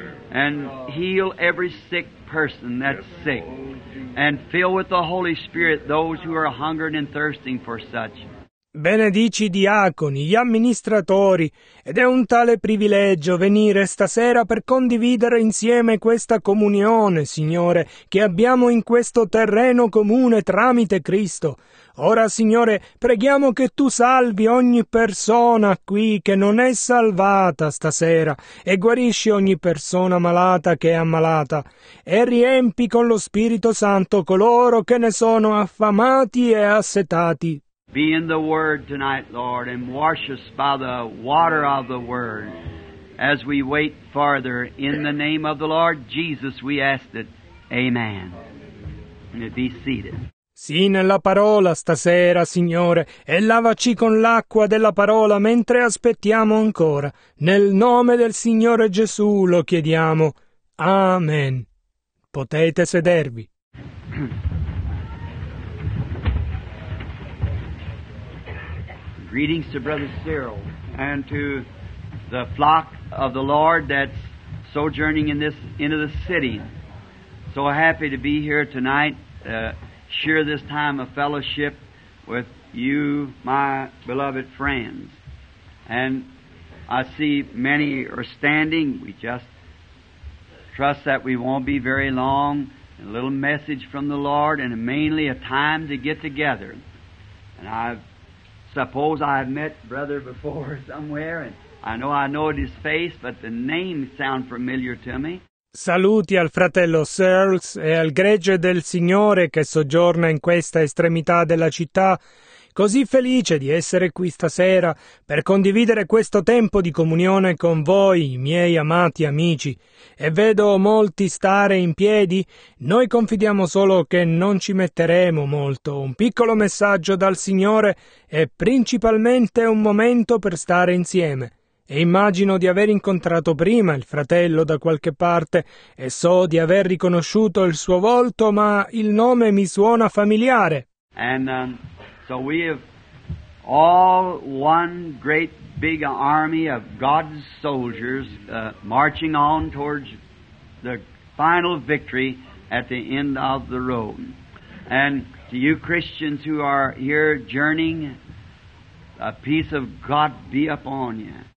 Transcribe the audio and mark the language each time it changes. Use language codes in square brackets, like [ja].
[en] And heal every sick person that's sick. And fill with the Holy Spirit those who are hungering and thirsting for such. [it] Benedici i diaconi, gli amministratori, ed è un tale privilegio venire stasera per condividere insieme questa comunione, Signore, che abbiamo in questo terreno comune tramite Cristo. Ora, Signore, preghiamo che Tu salvi ogni persona qui che non è salvata stasera e guarisci ogni persona malata che è ammalata e riempi con lo Spirito Santo coloro che ne sono affamati e assetati. [en] Be in the Word tonight, Lord, and wash us by the water of the Word. As we wait farther, in the name of the Lord Jesus, we ask it. Amen. And be seated. [it] Sì, nella parola stasera, Signore, e lavaci con l'acqua della parola mentre aspettiamo ancora. Nel nome del Signore Gesù lo chiediamo. Amen. Potete sedervi. [en] Greetings to Brother Cyril and to the flock of the Lord that's sojourning in this into the city. So happy to be here tonight, share this time of fellowship with you, my beloved friends. And I see many are standing. We just trust that we won't be very long. A little message from the Lord and mainly a time to get together. And I suppose I've met brother before somewhere, and I know his face, but the name sound familiar to me. [it] Saluti al fratello Searles e al gregge del Signore che soggiorna in questa estremità della città, così felice di essere qui stasera per condividere questo tempo di comunione con voi, i miei amati amici. E vedo molti stare in piedi, noi confidiamo solo che non ci metteremo molto. Un piccolo messaggio dal Signore è principalmente un momento per stare insieme. E immagino di aver incontrato prima il fratello da qualche parte e so di aver riconosciuto il suo volto, ma il nome mi suona familiare. [en] And so we have all one great big army of God's soldiers marching on towards the final victory at the end of the road. And to you Christians who are here journeying, a peace of God be upon you.